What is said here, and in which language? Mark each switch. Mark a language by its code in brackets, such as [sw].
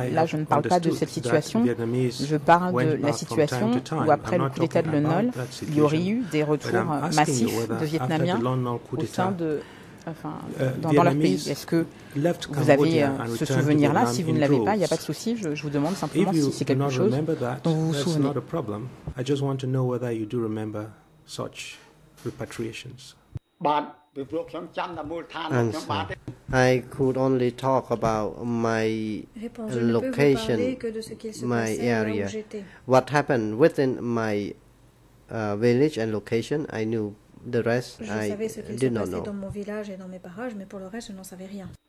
[fr] Là, je ne parle pas de cette situation. Je parle de la situation où, après le coup d'État de Lon Nol, il y aurait eu des retours massifs de Vietnamiens au sein de dans leur pays. Est-ce que vous avez ce souvenir-là? Si vous ne l'avez pas, il n'y a pas de souci. Je vous demande simplement si c'est quelque chose dont vous vous souvenez. [en] Not a problem. I just want to know whether you do remember such repatriations. Answer. I could only talk about my location, my area. What happened within my village and location, I knew. The rest, I did not know. [fr] Dans mon village et dans mes parages, mais pour le reste, je n'en savais rien.